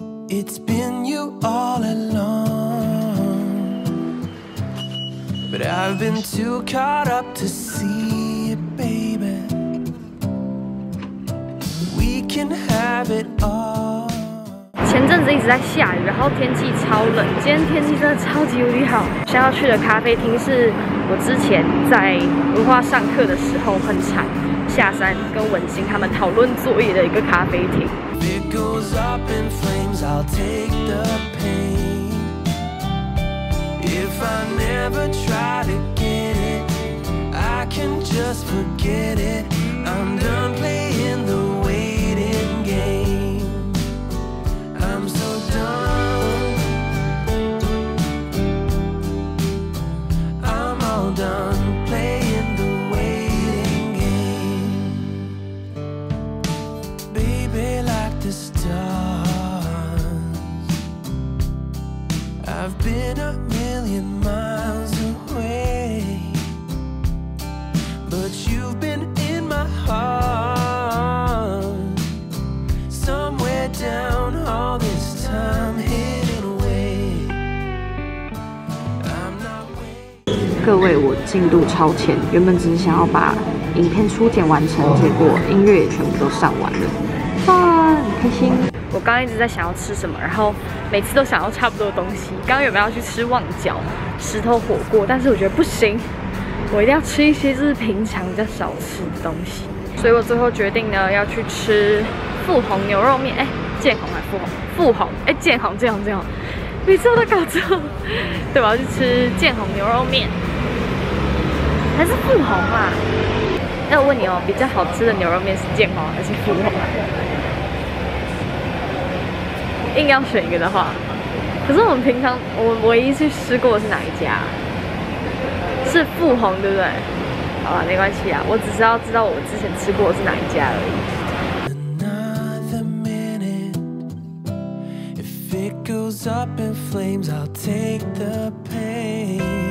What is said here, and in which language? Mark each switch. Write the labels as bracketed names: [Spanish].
[English] It's been you all along, but I've been too caught up to see it, baby. We can have it all. [Chinese] 前阵子一直在下雨，然后天气超冷，今天天气真的超级无敌好。现在要去的咖啡厅是我之前在文化上课的时候很常下山跟文馨他们讨论作业的一个咖啡厅。 [English] Goes up in flames, I'll take the pain. If I never try to get it, I can just forget it. I'm done playing the waiting game. I'm so done. I'm all done playing the waiting game. Baby, like the star. I've been a million miles away, but you've been in my heart, somewhere down all this time hidden away. I'm not waiting. [Chinese] 各位，我进度超前，原本只是想要把影片初剪完成，结果音乐也全部都上完了，很开心。我刚一直在想要吃什么，然后每次都想要差不多的东西。刚刚有没有要去吃旺角石头火锅？但是我觉得不行，我一定要吃一些就是平常比较少吃的东西。所以我最后决定呢，要去吃富宏牛肉面。建宏还是富宏？富宏。建宏。每次我都搞错。对，我要去吃建宏牛肉面，还是富宏啊？那我问你哦，比较好吃的牛肉面是建宏还是富宏啊？硬要选一个的话，可是我们平常我们唯一去吃过的是哪一家？是富宏，对不对？好了，没关系啊，我只是要知道我之前吃过的是哪一家而已。 [English] Another minute, if it goes up in flames, I'll take the pain.